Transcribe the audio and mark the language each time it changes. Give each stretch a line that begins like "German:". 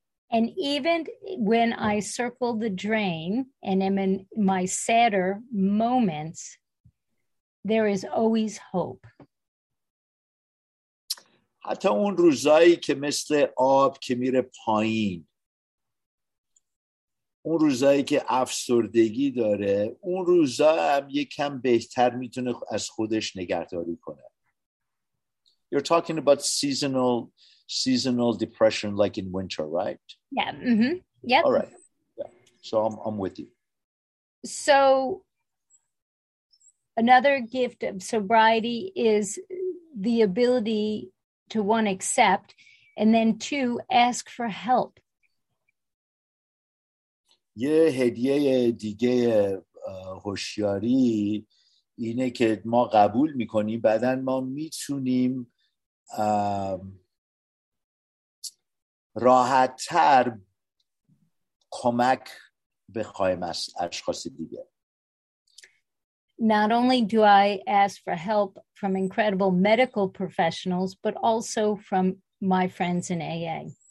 English: And even when I circle the drain and am in my sadder moments, there is always hope.
Persian: حتی اون روزایی که مثل آب که میره پایین، اون روزایی که افسردگی داره، اون روزا هم یکم بهتر میتونه از خودش نگهداری کنه.
English: You're talking about seasonal depression like in winter, right? Yeah. All right. Yeah. So I'm with you. So another gift of sobriety is the ability to one, accept, and then two, ask for help.
Persian: یه هدیه دیگه هوشیاری اینه که ما قبول میکنیم بعدن ما میتونیم راحت تر کمک بخوایم از اشخاص دیگه.
English: Not only do I ask for help from incredible medical professionals, but also from my friends in AA.